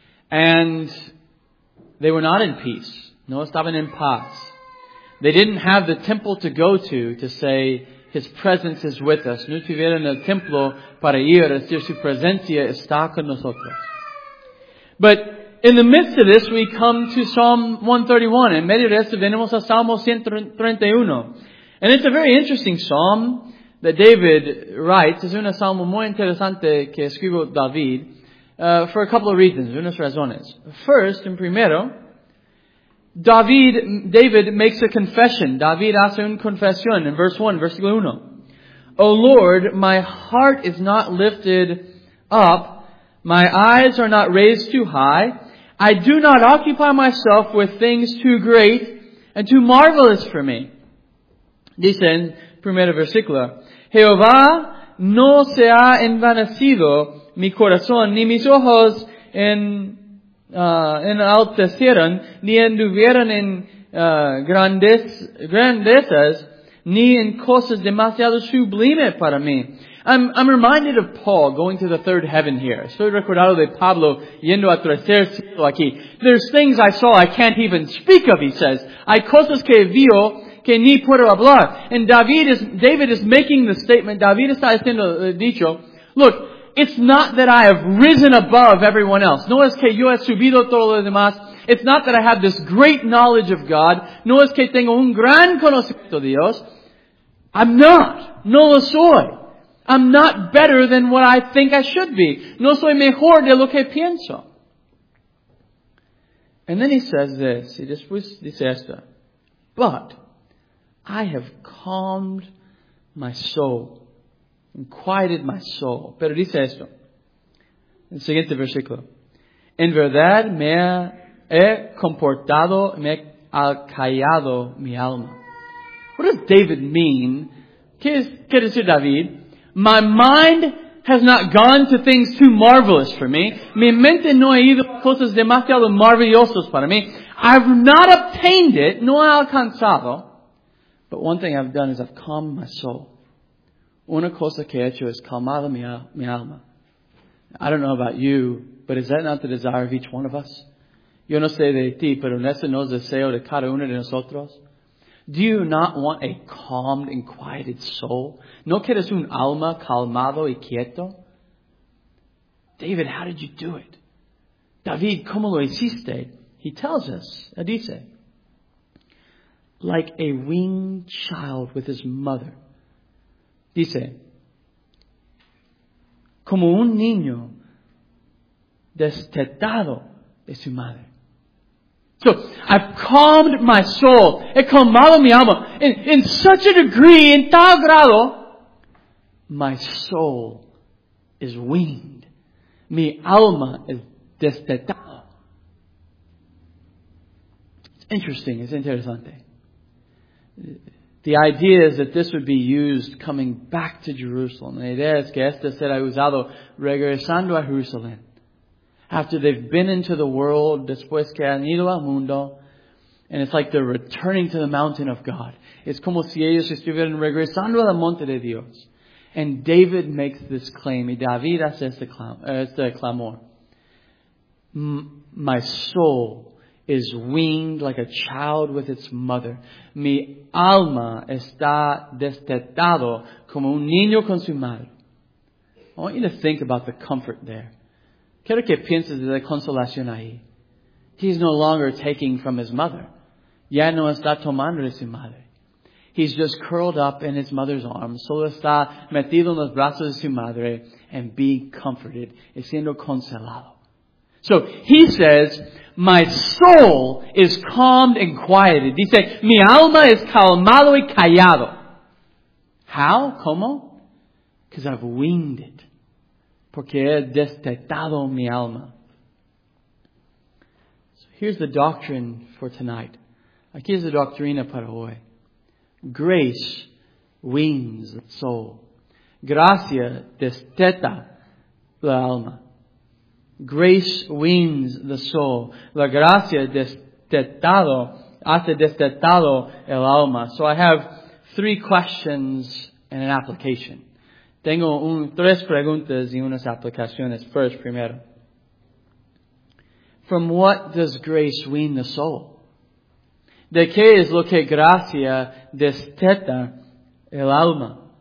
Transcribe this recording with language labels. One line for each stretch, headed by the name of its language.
English: And they were not in peace.
Spanish: No estaban en paz.
English: They didn't have the temple to go to say, His presence is with us.
Spanish: No tuvieron el templo para ir, es decir, Su presencia está con nosotros.
English: But in the midst of this, we come to Psalm 131.
Spanish: En medio de esto, venimos a Salmo 131.
English: And it's a very interesting psalm. That David writes is
Spanish: una salmo muy interesante que escribió David
English: for a couple of reasons,
Spanish: unas razones.
English: First,
Spanish: en primero,
English: David makes a confession.
Spanish: David hace una confesión
English: in verse 1,
Spanish: versículo 1.
English: O Lord, my heart is not lifted up, my eyes are not raised too high, I do not occupy myself with things too great and too marvelous for me.
Spanish: Dice en primero versículo. Jehová, no se ha envanecido mi corazón, ni mis ojos enaltecieron, ni anduvieron en grandezas, ni en cosas demasiado sublimes para mí.
English: I'm reminded of Paul going to the third heaven here.
Spanish: Soy recordado de Pablo yendo a tercer cielo aquí.
English: There's things I saw I can't even speak of, he says.
Spanish: Hay cosas que vio que ni puedo hablar.
English: And David is making the statement.
Spanish: David está diciendo, dicho,
English: look, it's not that I have risen above everyone else.
Spanish: No es que yo he subido todo lo demás.
English: It's not that I have this great knowledge of God.
Spanish: No es que tengo un gran conocimiento de Dios.
English: I'm not.
Spanish: No lo soy.
English: I'm not better than what I think I should be.
Spanish: No soy mejor de lo que pienso.
English: And then he says this.
Spanish: He después dice esto.
English: But I have calmed my soul and quieted my soul.
Spanish: Pero dice esto. El siguiente versículo. En verdad me he comportado, me he acallado mi alma.
English: What does David mean?
Spanish: ¿Qué dice David?
English: My mind has not gone to things too marvelous for me.
Spanish: Mi mente no ha ido a cosas demasiado maravillosas para mí.
English: I've not obtained it,
Spanish: no he alcanzado.
English: But one thing I've done is I've calmed my soul.
Spanish: Una cosa que he hecho es calmado mi alma.
English: I don't know about you, but is that not the desire of each one of us?
Spanish: Yo no sé de ti, pero ese no es deseo de cada uno de nosotros.
English: Do you not want a calmed and quieted soul?
Spanish: ¿No quieres un alma calmado y quieto?
English: David, how did you do it?
Spanish: David, ¿cómo lo hiciste?
English: He tells us,
Spanish: dice,
English: like a weaned child with his mother.
Spanish: Dice, como un niño destetado de su madre.
English: So, I've calmed my soul.
Spanish: He calmado mi alma.
English: In such a degree, in
Spanish: tal grado,
English: my soul is weaned.
Spanish: Mi alma es destetado.
English: It's interesting. It's interesante. The idea is that this would be used coming back to Jerusalem.
Spanish: La idea es que este será usado regresando a Jerusalén.
English: After they've been into the world,
Spanish: después que han ido al mundo,
English: and it's like they're returning to the mountain of God.
Spanish: Es como si ellos estuvieran regresando al monte de Dios.
English: And David makes this claim,
Spanish: y David hace este clamor.
English: My soul is weaned like a child with its mother.
Spanish: Mi alma está destetado como un niño con su madre.
English: I want you to think about the comfort there.
Spanish: Quiero que pienses de la consolación ahí.
English: He's no longer taking from his mother.
Spanish: Ya no está tomando de su madre.
English: He's just curled up in his mother's arms.
Spanish: Solo está metido en los brazos de su madre
English: and being comforted,
Spanish: y siendo consolado.
English: So he says, my soul is calmed and quieted.
Spanish: Dice, mi alma es calmado y callado.
English: How?
Spanish: ¿Cómo?
English: Because I've weaned it.
Spanish: Porque he destetado mi alma.
English: So here's the doctrine for tonight.
Spanish: Aquí es la doctrina para hoy.
English: Grace weans the soul.
Spanish: Gracia desteta la alma.
English: Grace weans the soul.
Spanish: La gracia destetado, hace destetado el alma.
English: So I have three questions and an application.
Spanish: Tengo tres preguntas y unas aplicaciones. Primero.
English: From what does grace wean the soul?
Spanish: ¿De qué es lo que gracia desteta el alma?